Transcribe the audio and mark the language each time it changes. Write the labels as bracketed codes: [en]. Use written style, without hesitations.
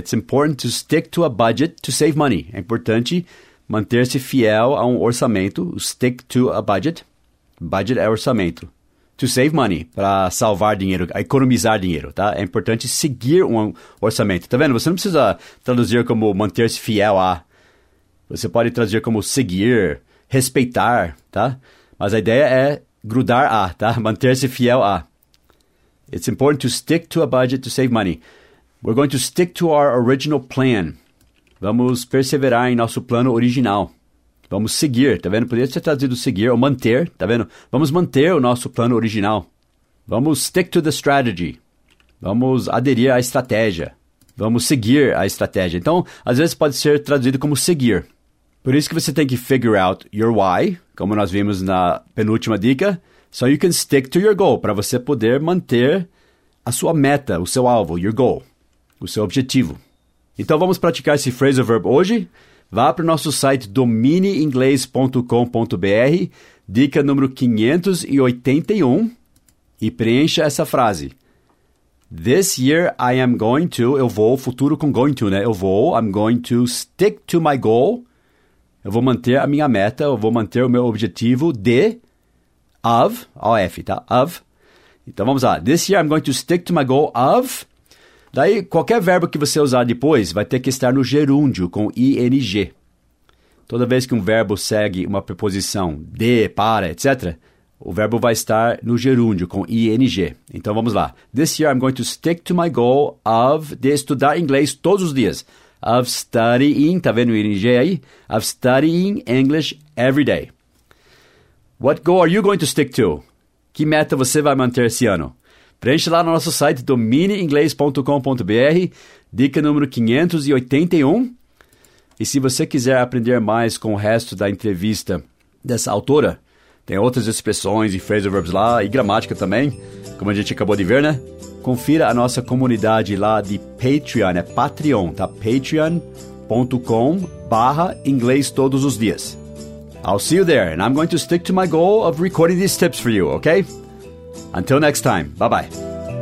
[en] It's important to stick to a budget to save money. [pt] É importante manter-se fiel a um orçamento. [en] Stick to a budget. [pt] Budget é orçamento. [en] To save money, [pt] para salvar dinheiro, economizar dinheiro, tá? É importante seguir um orçamento. Tá vendo? Você não precisa traduzir como manter-se fiel a... Você pode traduzir como seguir, respeitar, tá? Mas a ideia é grudar a, tá? Manter-se fiel a. [en] It's important to stick to a budget to save money. We're going to stick to our original plan. [pt] Vamos perseverar em nosso plano original. Vamos seguir, tá vendo? Poderia ser traduzido seguir ou manter, tá vendo? Vamos manter o nosso plano original. Vamos [en] stick to the strategy. [pt] Vamos aderir à estratégia. Vamos seguir a estratégia. Então, às vezes pode ser traduzido como seguir. Por isso que você tem que [en] figure out your why, [pt] como nós vimos na penúltima dica, [en] so you can stick to your goal, [pt] para você poder manter a sua meta, o seu alvo, [en] your goal, [pt] o seu objetivo. Então, vamos praticar esse phrasal verb hoje. Vá para o nosso site domineinglês.com.br, dica número 581, e preencha essa frase. [en] This year I am going to, [pt] eu vou, futuro com [en] going to, [pt] né? Eu vou, [en] I'm going to stick to my goal. [pt] Eu vou manter a minha meta, eu vou manter o meu objetivo de, of, O-F, tá? Of. Então vamos lá. [en] This year I'm going to stick to my goal of... [pt] Daí, qualquer verbo que você usar depois vai ter que estar no gerúndio, com ing. Toda vez que um verbo segue uma preposição de, para, etc., o verbo vai estar no gerúndio, com ing. Então, vamos lá. [en] This year, I'm going to stick to my goal of [pt] de estudar inglês todos os dias. [en] Of studying, [pt] tá vendo o ing aí? [en] Of studying English every day. What goal are you going to stick to? [pt] Que meta você vai manter esse ano? Preencha lá no nosso site domineinglês.com.br, dica número 581. E se você quiser aprender mais com o resto da entrevista dessa autora, tem outras expressões e phrasal verbs lá, e gramática também, como a gente acabou de ver, né? Confira a nossa comunidade lá de Patreon, é Patreon, tá? patreon.com/inglês todos os dias. [en] I'll see you there, and I'm going to stick to my goal of recording these tips for you, okay? Until next time, bye-bye.